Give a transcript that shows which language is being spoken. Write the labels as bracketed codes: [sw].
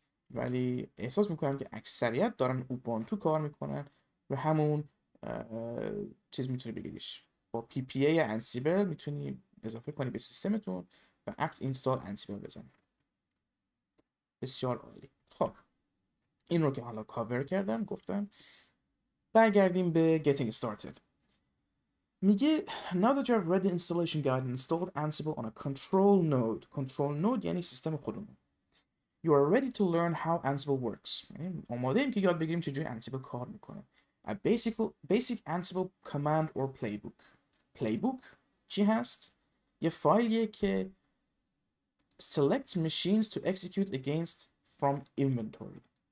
[fa] ولی احساس میکنم که اکثریت دارن اوبانتو کار میکنن و همون چیز میتونی بگیریش. با پی پی ای انسیبل میتونی اضافه کنی به سیستمتون و اپت اینستال انسیبل بزنی. بسیار عالی. خب این رو که حالا کاور کردم گفتم برگردیم به getting started. [en] میگه now that you have read the installation guide and installed Ansible on a control node. [fa] Control node یعنی سیستم خودمون. [en] You are ready to learn how Ansible works. [fa] یعنی آماده ایم که یاد بگیریم چجوری Ansible کار میکنه. [en] A basic Ansible command or playbook. Playbook [fa] چی هست؟ یه فایلیه که [en] select machines to execute against from inventory.